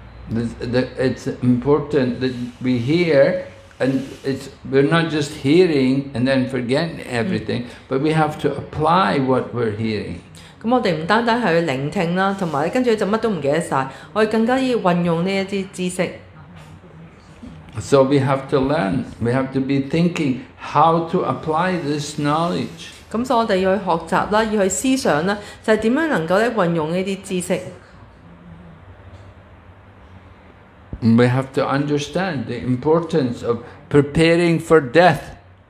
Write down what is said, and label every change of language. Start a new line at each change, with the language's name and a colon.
English: It's important that we hear, and we're not just hearing and then forgetting everything, but we have to apply what we're hearing.
Chinese: 我們不單單去聆聽,然後就什麼都忘記了,我們更加要運用這些知識
English: So we have to learn, we have to be thinking how to apply this knowledge.
Chinese: 所以我們要去學習,要去思想,就是怎樣能夠運用這些知識?
English: We have to understand the importance of preparing for death.